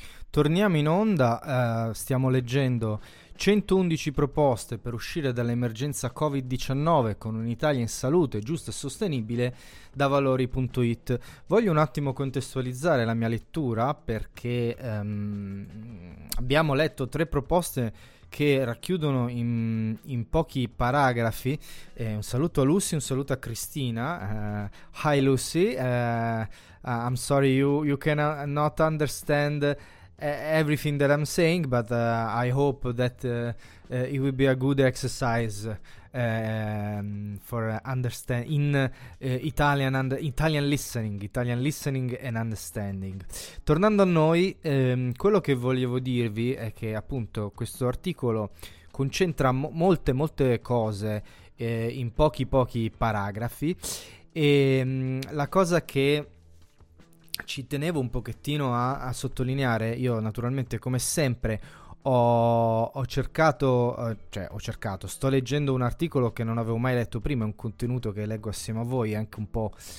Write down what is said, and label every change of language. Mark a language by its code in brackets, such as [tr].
[it] Torniamo in onda, stiamo leggendo 111 proposte per uscire dall'emergenza Covid-19 con un'Italia in salute, giusta e sostenibile da valori.it. Voglio un attimo contestualizzare la mia lettura perché abbiamo letto tre proposte che racchiudono in pochi paragrafi. Un saluto a Lucy, un saluto a Cristina. [en] Hi Lucy, I'm sorry you cannot understand everything that I'm saying, but I hope that it will be a good exercise for understand in Italian and Italian listening and understanding. [it] Tornando a noi, quello che volevo dirvi è che appunto questo articolo concentra molte cose in pochi paragrafi, e la cosa che ci tenevo un pochettino a sottolineare, io naturalmente come sempre sto leggendo un articolo che non avevo mai letto prima, è un contenuto che leggo assieme a voi, è anche un po'